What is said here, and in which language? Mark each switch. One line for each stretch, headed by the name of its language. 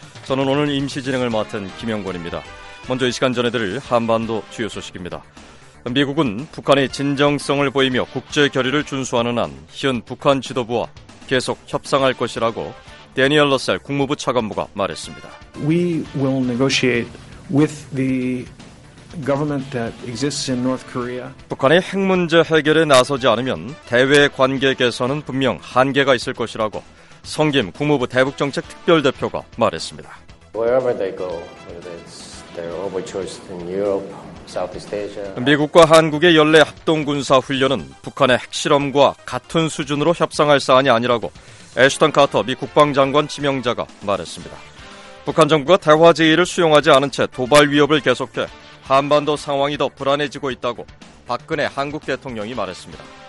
Korean: 저는 오늘 임시 진행을 맡은 김영권입니다. 먼저 이 시간 전해드릴 한반도 주요 소식입니다. 미국은 북한의 진정성을 보이며 국제 결의를 준수하는 한 현 북한 지도부와 계속 협상할 것이라고 대니얼 러셀 국무부 차관보가 말했습니다.
English: We will negotiate with the government that exists in North Korea.
Korean: 북한의 핵 문제 해결에 나서지 않으면 대외 관계 개선은 분명 한계가 있을 것이라고 성김 국무부 대북정책 특별대표가 말했습니다.
English: Wherever they go, whether it's their overtures in Europe, Southeast Asia.
Korean: 미국과 한국의 연례 합동 군사 훈련은 북한의 핵실험과 같은 수준으로 협상할 사안이 아니라고 애슈턴 카터 미 국방장관 지명자가 말했습니다. 북한 정부가 대화 제의를 수용하지 않은 채 도발 위협을 계속해 한반도 상황이 더 불안해지고 있다고 박근혜 한국 대통령이 말했습니다.